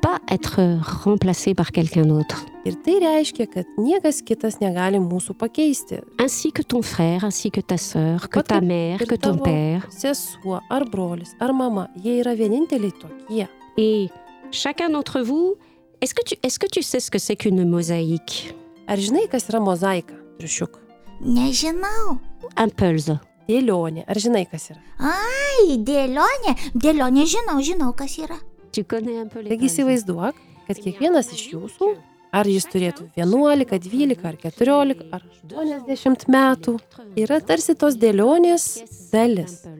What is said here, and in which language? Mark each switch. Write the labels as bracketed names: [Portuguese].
[Lithuanian] Ir tai reiškia, kad niekas kitas negali mūsų pakeisti. [French] Ainsi que ton frère, ainsi que ta sœur, que ta mère, que ton père. [Lithuanian] Sesuo ar brolis, ar mama, jie yra vieninteliai tokie. [French] Et chacun d'entre vous, est-ce que tu sais ce que c'est qu'une mosaïque? [Lithuanian] Ar žinai, kas yra mozaika, triušiuk? Nežinau. [French] Un puzzle. [Lithuanian] Dėlionė, ar žinai, kas yra? Ai, dėlionė, žinau, kas yra. Taigi įsivaizduok, kad kiekvienas iš jūsų, ar jis turėtų 11, 12, ar 14, ar 80 metų, yra tarsi tos dėlionės dalis.